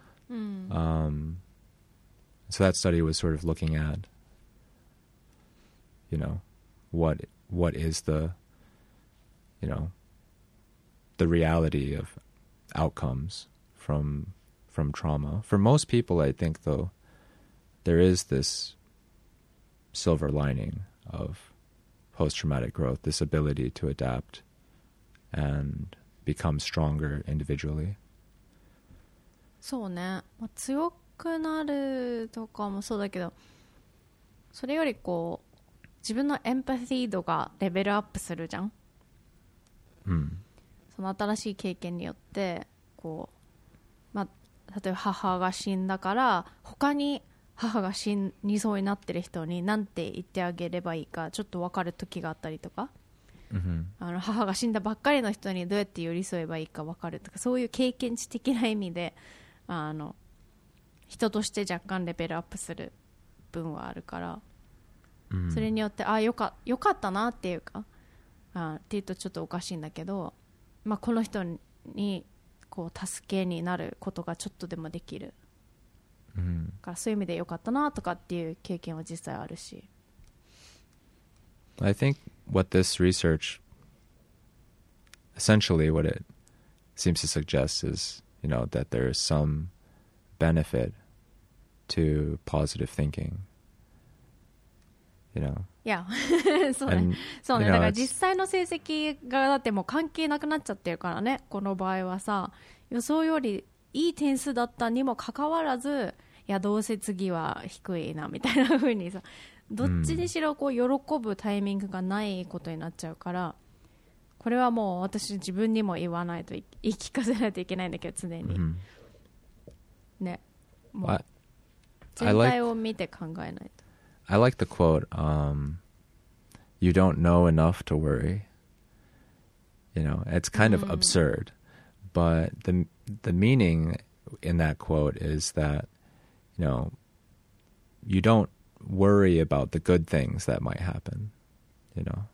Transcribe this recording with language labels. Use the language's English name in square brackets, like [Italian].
[English] So that study was sort of looking at, you know, what is the, you know, the reality of outcomes from trauma. For most people, I think, though, there is this silver lining of post-traumatic growth, this ability to adapt and become stronger individually. [Japanese] そうね、まあ、強くなるとかもそうだけど、それよりこう自分のエンパシー度がレベルアップするじゃん、うん、その新しい経験によってこう、まあ、例えば母が死んだから他に母が死にそうになってる人に何て言ってあげればいいかちょっと分かる時があったりとか、うん、あの母が死んだばっかりの人にどうやって寄り添えばいいか分かるとか、そういう経験値的な意味で、まあ、あの人として若干レベルアップする分はあるから、うん、それによってああ よかったなっていうか、あっていうとちょっとおかしいんだけど、まあ、この人にこう助けになることがちょっとでもできる、うん、からそういう意味でよかったなとかっていう経験は実際あるし、 [English] I think what this research essentially what it seems to suggest is you know that there is some benefit to positive thinking you know [Japanese] そうね、 そうね、 だから実際の成績がだってもう関係なくなっちゃってるからね、この場合はさ、予想よりいい点数だったにもかかわらず、いやどうせ次は低いなみたいな風にさ、どっちにしろこう喜ぶタイミングがないことになっちゃうから、これはもう私自分にも言わないと言い聞かせないといけないんだけど常に、ね、もう全体を見て考えないと。 [English] I like the quote, you don't know enough to worry. You know, it's kind of absurd. But the meaning in that quote is that, you know, you don't worry about the good things that might happen, you know?